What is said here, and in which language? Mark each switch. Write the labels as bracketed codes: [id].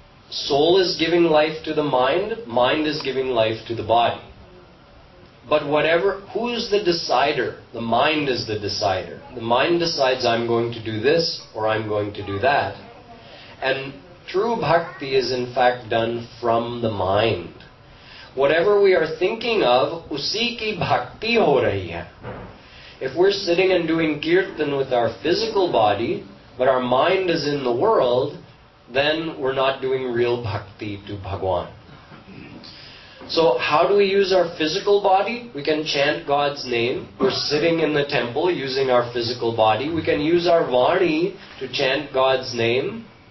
[en] Soul is giving life to the mind. Mind is giving life to the body. But whatever, who's the decider? The mind is the decider. The mind decides I'm going to do this or I'm going to do that. And true bhakti is in fact done from the mind. Whatever we are thinking of, [hi] उसी की भक्ति हो रही है। [en] If we're sitting and doing kirtan with our physical body, but our mind is in the world, then we're not doing real bhakti to Bhagwan. So how do we use our physical body? We can chant God's name. We're sitting in the temple using our physical body. We can use our vani to chant God's name.